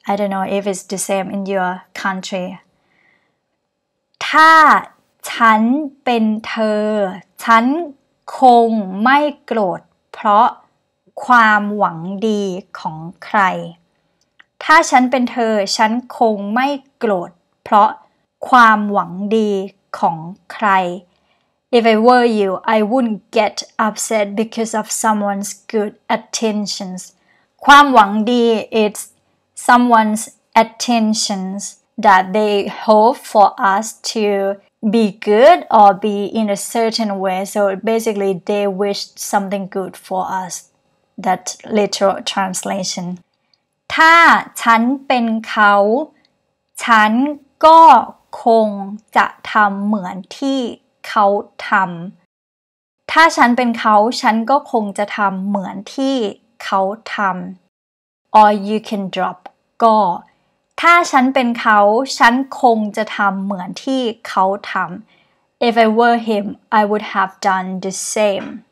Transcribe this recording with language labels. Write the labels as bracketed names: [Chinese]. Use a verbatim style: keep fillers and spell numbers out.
[English] I don't know if it's the same in your country. [Thai] ถ้าฉันเป็นเธอฉันคงไม่โกรธเพราะความหวังดีของใครถ้าฉันเป็นเธอฉันคงไม่โกรธเพราะความหวังดีของใคร [English] If I were you, I wouldn't get upset because of someone's good intentions. ความหวังดี it's someone's intentions that they hope for us to be good or be in a certain way. So basically, they wish something good for us. That literal translation. [Thai] ถ้าฉันเป็นเขาฉันก็คงจะทำเหมือนที่เขาทำถ้าฉันเป็นเขาฉันก็คงจะทำเหมือนที่เขาทำ [English] or you can drop [Thai] ก็ถ้าฉันเป็นเขาฉันคงจะทำเหมือนที่เขาทำ [English] If I were him I would have done the same